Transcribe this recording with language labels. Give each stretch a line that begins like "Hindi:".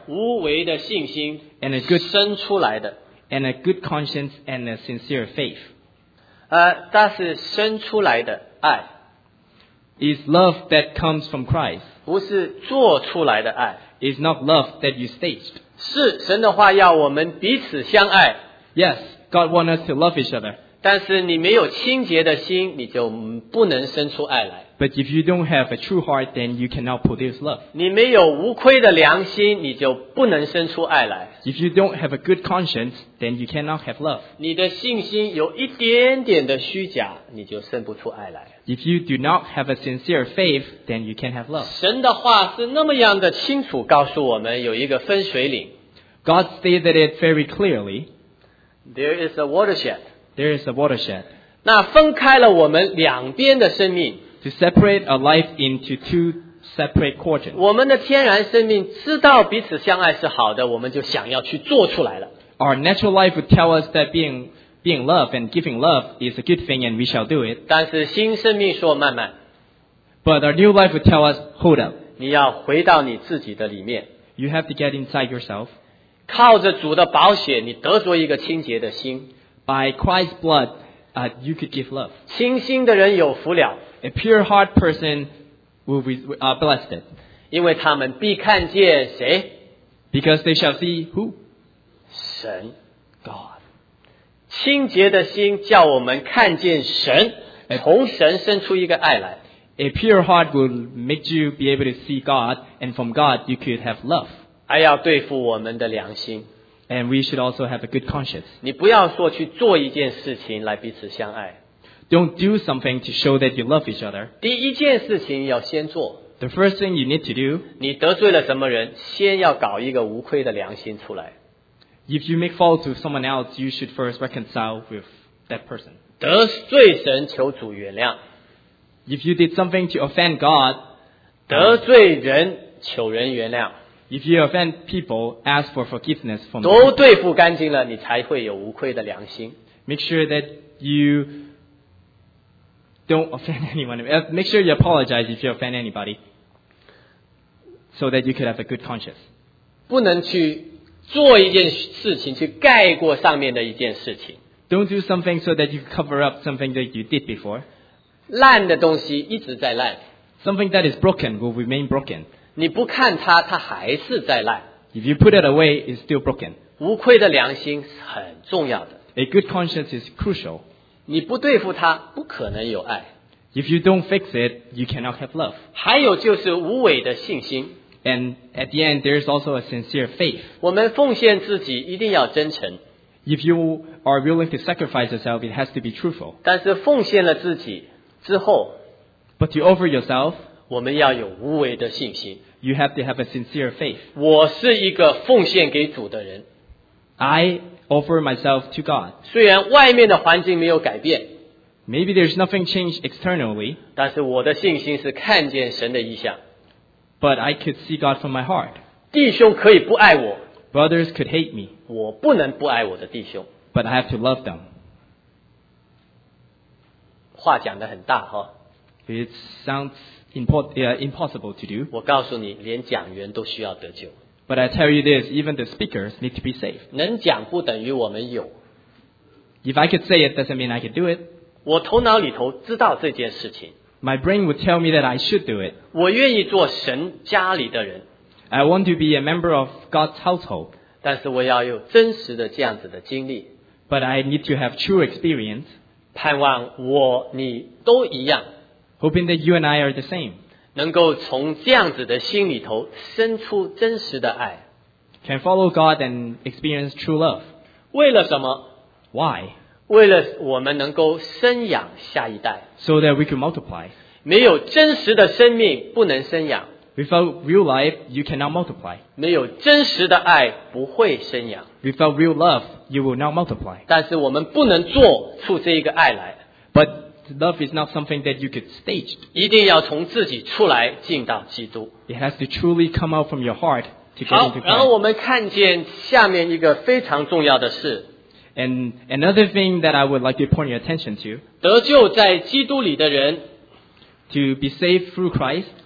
Chinese: 无为的信心,
English: and a good
Chinese: 生出来的,
English: and a good conscience and a sincere faith.
Chinese: 但是生出来的爱,
English: is love that comes from Christ.
Chinese: 不是做出来的爱,
English: is not love that you staged.
Chinese: 是神的话要我们彼此相爱,
English: yes, God wants us to love each other.
Chinese: 但是你没有清洁的心, 你就不能生出爱来。
English: But if you don't have a true heart, then you cannot produce love.
Chinese: 你没有无愧的良心, 你就不能生出爱来。
English: If you don't have a good conscience, then you cannot have love.
Chinese: 你的信心有一点点的虚假, 你就生不出爱来。
English: If you do not have a sincere faith, then you can't have love.
Chinese: 神的话是那么样的清楚告诉我们有一个分水岭。
English: God stated it very clearly. There is a watershed. There is a watershed.
Chinese: 那分开了我们两边的生命,
English: to separate a life into two separate quadrants.
Chinese: 我们的天然生命知道彼此相爱是好的, 我们就想要去做出来了。
English: Our natural life would tell us that being love and giving love is a good thing and we shall do it.
Chinese: 但是新生命说慢慢,
English: but our new life would tell us, hold up.
Chinese: 你要回到你自己的里面,
English: you have to get inside yourself.
Chinese: 靠着主的宝血, 你得着一个清洁的心。
English: By Christ's blood, you could give love.
Chinese: 清心的人有福了。
English: A pure heart person will be blessed.
Chinese: 因为他们必看见谁?
English: Because they shall see who?
Chinese: 神,
English: God.
Chinese: 清洁的心叫我们看见神, 从神生出一个爱来。
English: A pure heart will make you be able to see God, and from God you could have love.
Chinese: 还要对付我们的良心。
English: And we should also have a good conscience.
Chinese: 你不要说去做一件事情来彼此相爱。
English: Don't do something to show that you love each other.
Chinese: 第一件事情要先做。
English: The first thing you need to do.
Chinese: 你得罪了什么人, 先要搞一个无愧的良心出来。
English: If you make fault to someone else, you should first reconcile with that person.
Chinese: 得罪神求主原谅。
English: If you did something to offend God,
Chinese: 得罪人求人原谅。
English: If you offend people, ask for forgiveness from them.
Chinese: 都对付干净了, 你才会有无愧的良心。
English: Make sure that you don't offend anyone. Make sure you apologize if you offend anybody, so that you could have a good conscience.
Chinese: 不能去做一件事情, 去盖过上面的一件事情。
English: Don't do something so that you cover up something that you did before.
Chinese: 烂的东西一直在烂。
English: Something that is broken will remain broken.
Chinese: 你不看它, 它还是在烂。
English: If you put it away, it's still broken.
Chinese: 无愧的良心很重要的。
English: A good conscience is crucial.
Chinese: 你不对付它, 不可能有爱。
English: If you don't fix it, you cannot have love.
Chinese: 还有就是无伪的信心。
English: And at the end, there is also a sincere faith.
Chinese: 我们奉献自己, 一定要真诚。
English: If you are willing to sacrifice yourself, it has to be truthful.
Chinese: 但是奉献了自己之后,
English: But you offer yourself, you have to have a sincere faith.
Chinese: 我是一个奉献给主的人,
English: I offer myself to God.
Chinese: 虽然外面的环境没有改变,
English: maybe there's nothing changed externally,
Chinese: 但是我的信心是看见神的意象,
English: but I could see God from my heart.
Chinese: 弟兄可以不爱我,
English: brothers could hate me,
Chinese: 我不能不爱我的弟兄,
English: but I have to love them.
Chinese: 话讲得很大,
English: it sounds impossible to do.
Chinese: 我告诉你,
English: but I tell you this, even the speakers need to be safe.
Chinese: 能讲不等于我们有,
English: if I could say it, doesn't mean I could do it.
Chinese: 我头脑里头知道这件事情,
English: my brain would tell me that I should do it.
Chinese: 我愿意做神家里的人,
English: I want to be a member of God's household.
Chinese: 但是我要有真实的这样子的经历,
English: but I need to have true experience.
Chinese: 盼望我你都一样,
English: hoping that you and I are the same.
Chinese: 能够从这样子的心里头生出真实的爱,
English: can follow God and experience true love.
Chinese: 为了什么?
English: Why?
Chinese: 为了我们能够生养下一代,
English: so that we can multiply.
Chinese: 没有真实的生命不能生养,
English: without real life, you cannot multiply.
Chinese: 没有真实的爱不会生养,
English: without real love, you will not multiply.
Chinese: 但是我们不能做出这一个爱来,
English: but love is not something that you could stage.
Chinese: 一定要从自己出来进到基督,
English: it has to truly come out from your heart to get into Christ.
Chinese: 然后我们看见下面一个非常重要的事,
English: and another thing that I would like to point your attention to,
Chinese: 得救在基督里的人,
English: to be saved through Christ,